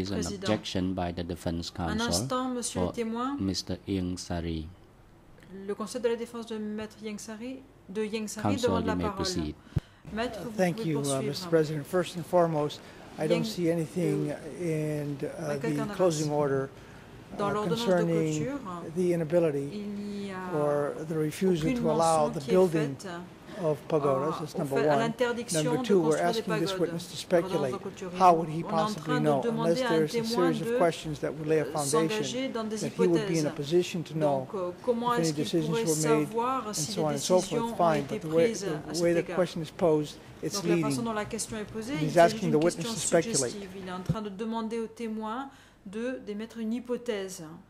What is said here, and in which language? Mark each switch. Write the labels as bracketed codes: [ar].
[en] is an objection by the Defense Counsel for [fr] le témoin, [en] Mr. Yeng Sari. [fr] Le Conseil de la Défense de Maître Yeng Sari, de Yeng Sari demande la parole. [en] Counsel, you may proceed. [fr] Maître, [en] thank you, Mr. President. First and foremost, I don't see anything in the closing order concerning the inability or the refusal to allow the building of pagodas, that's number one. Number two, we're asking this witness to speculate. How would he possibly know unless there's a series of questions that would lay a foundation that he would be in a position to know if any decisions were made and so on and so forth? Fine, but the way the question is posed, it's leading. He's asking the witness to speculate. [fr] Il est en train de demander au témoin de d'émettre une hypothèse.